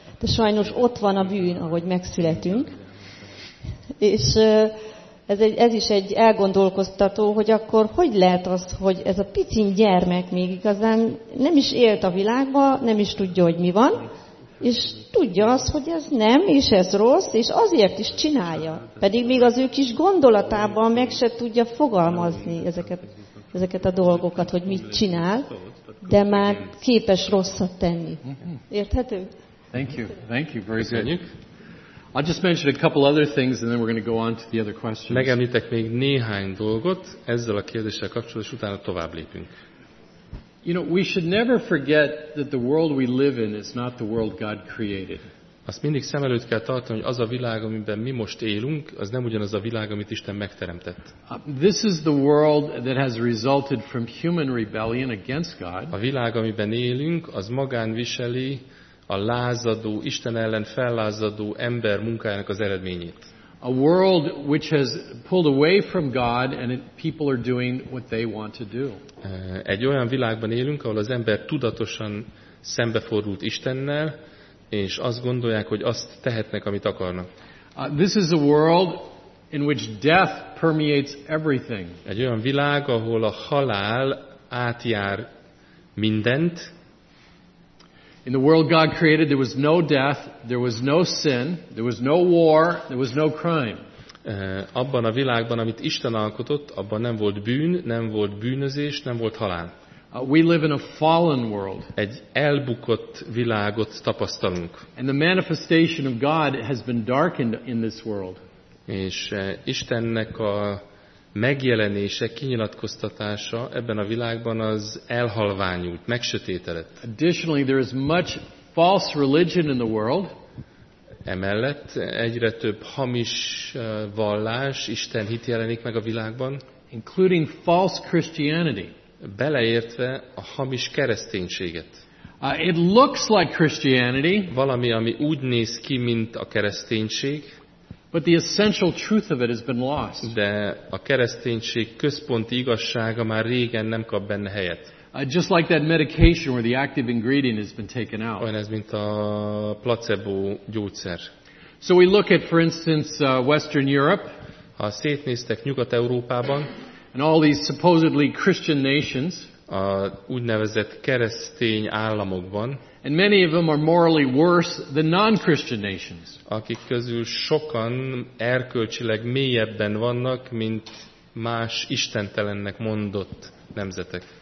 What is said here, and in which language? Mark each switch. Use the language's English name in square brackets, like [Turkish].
[Hungarian] De sajnos ott van a bűn, ahogy megszületünk. És ez is egy elgondolkoztató, hogy akkor hogy lehet az, hogy ez a picin gyermek még igazán nem is élt a világban, nem is tudja, hogy mi van, és tudja az, hogy ez nem, és ez rossz, és azért is csinálja. Pedig még az ő kis gondolatában meg se tudja fogalmazni ezeket a dolgokat, hogy mit csinál, de már képes rosszat tenni. Érthető? [English] Thank you. Very good. I'll just mention a couple other things, and then we're going to go on to the other questions. [Hungarian] Megemlítek még néhány dolgot ezzel a kérdéssel kapcsolatban, és utána tovább lépünk. [English] You know, we should never forget that the world we live in is not the world God created. [Hungarian] Azt mindig szem előtt kell tartani, hogy az a világ, amiben mi most élünk, az nem ugyanaz a világ, amit Isten megteremtett. [English] This is the world that has resulted from human rebellion against God. [Hungarian] A világ, amiben élünk, az magán viseli a lázadó, Isten ellen fellázadó ember munkájának az eredményét. [English] A world which has pulled away from God and people are doing what they want to do. [Hungarian] Egy olyan világban élünk, ahol az ember tudatosan szembefordult Istennel, és azt gondolják, hogy azt tehetnek, amit akarnak. [English] This is a world in which death permeates everything. [Hungarian] Egy olyan világ, ahol a halál átjár mindent. [English] In the world God created, there was no death, there was no sin, there was no war, there was no crime. [Hungarian] Abban a világban, amit Isten alkotott, abban nem volt bűn, nem volt bűnözés, nem volt halál. [English] We live in a fallen world. [Hungarian] Egy elbukott világot tapasztalunk. [English] And the manifestation of God has been darkened in this world. [Hungarian] És Istennek a megjelenése, kinyilatkoztatása ebben a világban az elhalványult, megsötétedett. [English] Additionally, there is much false religion in the world. [Hungarian] Emellett egyre több hamis vallás, Isten hit jelenik meg a világban. [English] Including false Christianity. [Hungarian] Beleértve a hamis kereszténységet. [English] It looks like Christianity. [Hungarian] Valami, ami úgy néz ki, mint a kereszténység. [English] But the essential truth of it has been lost. [Hungarian] De a kereszténység központi igazsága már régen nem kap benne helyet. [English] Just like that medication where the active ingredient has been taken out. [Hungarian] Olyan ez, mint a placebo gyógyszer. [English] So we look at, for instance, Western Europe. [Hungarian] Ha szétnéztek Nyugat-Európában, [English] and all these supposedly Christian nations, [Hungarian] a úgynevezett keresztény államokban, [English] and many of them are morally worse than non-Christian nations. [Hungarian] Akik közül sokan erkölcsileg mélyebben vannak, mint más istentelennek mondott nemzetek.